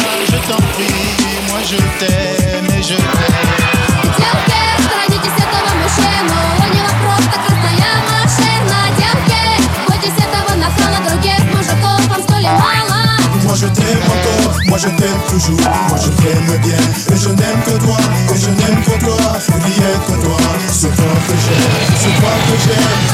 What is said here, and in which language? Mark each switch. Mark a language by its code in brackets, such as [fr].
[fr] Je t'en prie, moi je t'aime et je t'aime. [ru] Девки, сторонитесь этого мужчину. У него просто красная машина. Девки, бойтесь этого нахала. Других мужиков вам столь ли мало. [fr] Moi je t'aime encore, moi je t'aime toujours. Moi je t'aime bien, et je n'aime que toi. Et je n'aime que toi, rien que toi. C'est toi que j'aime, c'est toi que j'aime.